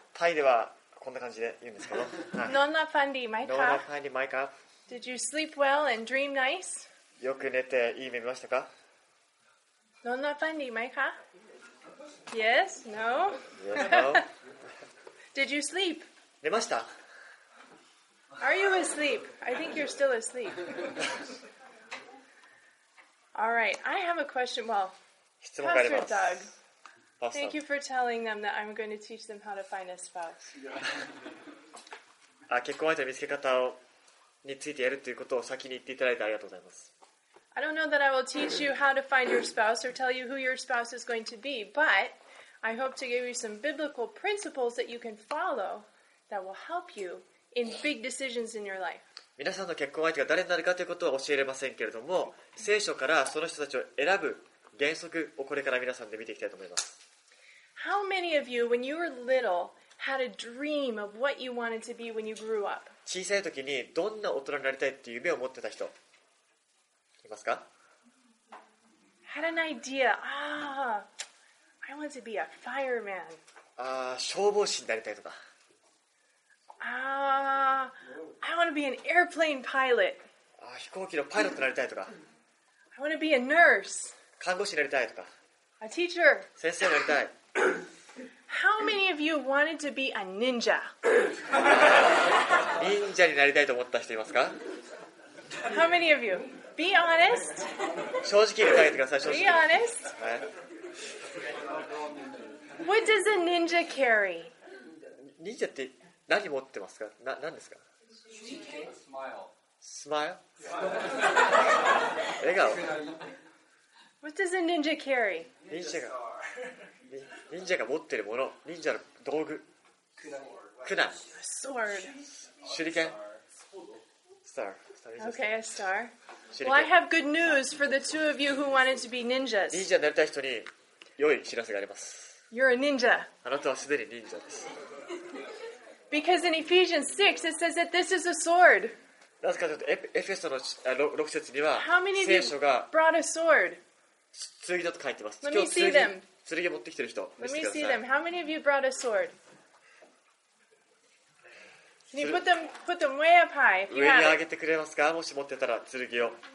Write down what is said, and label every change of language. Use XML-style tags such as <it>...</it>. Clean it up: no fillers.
<ja>タイではこんな感じで言うんですけど。</ja> <th>Non la phan di mai ka? Non la phan di mai ka?</th> <en>Did you sleep well and dream nice?</en> <ja>よく寝ていい夢見ましたか?</ja> <th>Non la phan di mai ka?</th> <en>Yes? No? Did you sleep?</en> <ja>寝ました。</ja> <en>Are you asleep? I think you're still asleep. All right, I have a question. Well, Pastor Doug, thank you for telling them that I'm going to teach them how to find a spouse.</en> <ja>結婚相手見つけ方についてやるということを先に言っていただいてありがとうございます。</ja> <en>I don't know that I will teach you how to find your spouse or tell you who your spouse is going to be, but I hope to give you some biblical principles that you can follow that will help you in big decisions in your life.</en> <ja>皆さんの結婚相手が誰になるかということは教えれませんけれども、聖書からその人たちを選ぶ原則をこれから皆さんで見ていきたいと思います。</ja> <en>How many of you, when you were little, had a dream of what you wanted to be when you grew up?</en> <ja>小さい時にどんな大人になりたいっていう夢を持ってた人いますか?</ja> <en>Had an idea. Ah, I want to be a fireman.</en> <ja>ああ、消防士になりたいとか。</ja> <en>I want to be an airplane pilot.</en> <ja>あ、飛行機のパイロットになりたいとか。</ja> <en>I want to be a nurse.</en> <ja>看護師になりたいとか。</ja> <en>A teacher.</en> <ja>先生になりたい。</ja> <en>How many of you wanted to be a ninja?</en> <ja>忍者になりたいと思った人いますか?</ja> <en>How many of you? Be honest.</en> <ja>正直に答えてください。</ja> <en>Be honest. What does a ninja carry?</en> <ja>忍者って何持ってますか? 何ですか?</ja> <en>Smile. Smile? 笑顔? What does a ninja carry?</en> <ja>ninja が持ってるもの。忍者の道具。クナ。</ja> <en>Sword.</en> <ja>手裏剣。Star.</ja> <en>Okay, a star. Well, I have good news for the two of you who wanted to be ninjas.</en> <ja>忍者になりたい人に良い知らせがあります。</ja> <en>You're a ninja.</en> <ja>あなたはすでに忍者です。</ja> <en>Because in Ephesians 6 it says that this is a sword.</en> <ja>なぜかというとエフェソの6節には聖書が</ja> <en>brought a sword?</en> <ja>剣だと書いてます。</ja> <en>Let me see them.</en> <ja>剣持ってきてる人。</ja> <en>Let me see them. How many of you brought a sword? Can you put them way up high?</en> <ja>上に上げてくれますか？もし持ってたら剣を。</ja>